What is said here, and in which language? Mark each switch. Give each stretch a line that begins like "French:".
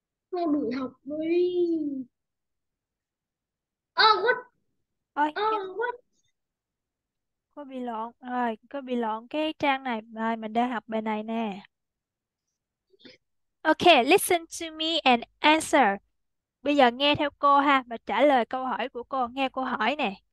Vietnamese: Cô đuổi học đi. Ôi, cô bị lộn rồi, cô bị lộn cái trang này rồi, mình đang học bài này nè.
English: Ok, listen to me and answer.
Vietnamese: Bây giờ nghe theo cô ha, và trả lời câu hỏi của cô, nghe cô hỏi nè.